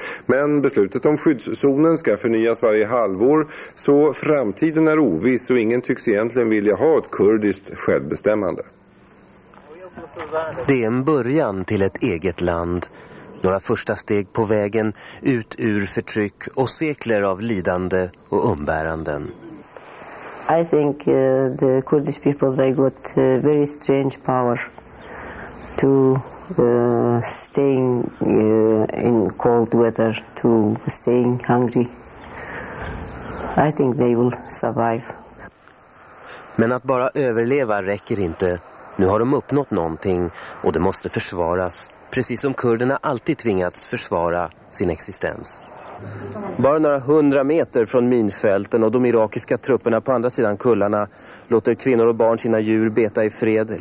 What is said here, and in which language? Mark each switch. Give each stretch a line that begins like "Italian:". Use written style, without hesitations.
Swedish: Men beslutet om skyddszonen ska förnyas varje halvår, så framtiden är oviss och ingen tycks egentligen vilja ha ett kurdiskt självbestämmande. Det är en början till ett eget land. Några första steg på vägen ut ur förtryck och sekler av lidande och umbäranden.
English: I think the Kurdish people, they got very strange power to staying in cold weather, to staying hungry. I think they will survive.
Swedish: Men att bara överleva räcker inte. Nu har de uppnått någonting och det måste försvaras. Precis som kurderna alltid tvingats försvara sin existens. Bara några hundra meter från minfälten och de irakiska trupperna på andra sidan kullarna låter kvinnor och barn sina djur beta i fred.